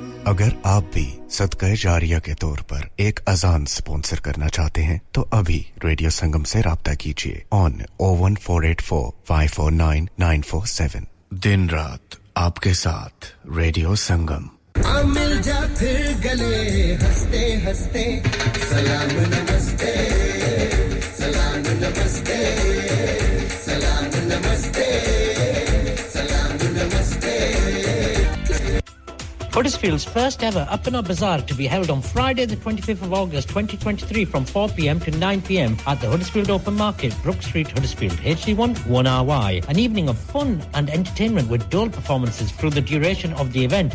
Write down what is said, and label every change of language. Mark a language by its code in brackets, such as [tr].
[ur] اگر آپ بھی صدقہ جاریہ کے طور پر ایک اذان سپونسر کرنا چاہتے ہیں تو ابھی ریڈیو سنگم سے رابطہ کیجئے on 01484549947 دن رات آپ کے ساتھ ریڈیو سنگم آ مل جا پھر گلے ہستے ہستے سلام نمستے سلام نمستے سلام نمستے سلام نمستے [en] Huddersfield's first ever Upana Bazaar to be held on Friday the 25th of August 2023 from 4pm to 9pm at the Huddersfield Open Market, Brook Street, Huddersfield, HD1 1RY. An evening of fun and entertainment with dual performances through the duration of the event.